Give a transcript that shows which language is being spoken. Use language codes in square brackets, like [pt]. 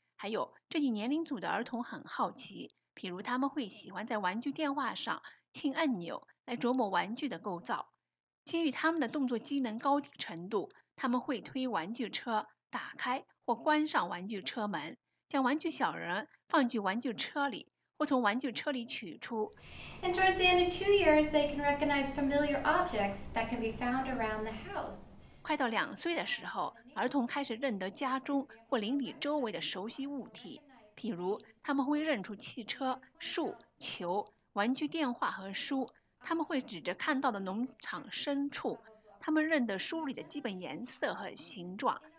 [zh] 还有，这一年龄组的儿童很好奇，譬如他们会喜欢在玩具电话上轻按钮来琢磨玩具的构造。基于他们的动作机能高低程度，他们会推玩具车，打开或关上玩具车门，将玩具小人放进玩具车里，或从玩具车里取出。 [en] And towards the end of 2 years, they can recognize familiar objects that can be found around the house. [zh] 快到两岁的时候，儿童开始认得家中或邻里周围的熟悉物体，譬如他们会认出汽车、树、球、玩具电话和书。他们会指着看到的农场深处，他们认得书里的基本颜色和形状。